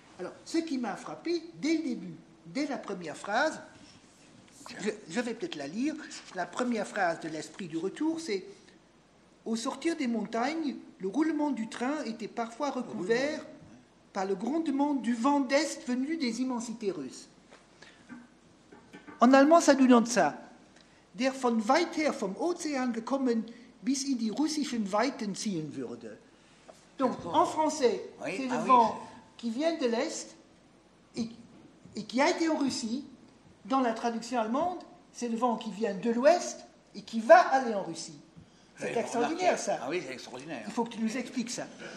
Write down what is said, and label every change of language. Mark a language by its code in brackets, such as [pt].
[fr] Alors, ce qui m'a frappé dès le début, dès la première phrase, je vais peut-être la lire, la première phrase de l'esprit du retour, c'est « Au sortir des montagnes, le roulement du train était parfois recouvert par le grondement du vent d'Est venu des immensités russes. » En allemand, ça nous donne ça. [de] Der von weit her vom Ozean gekommen bis in die russischen Weiten ziehen würde. [fr] Donc, en français, c'est le vent qui vient de l'Est et qui a été en Russie. Dans la traduction allemande, c'est le vent qui vient de l'Ouest et qui va aller en Russie. C'est extraordinaire, ça. Ah oui, c'est extraordinaire. Il faut que tu nous expliques ça.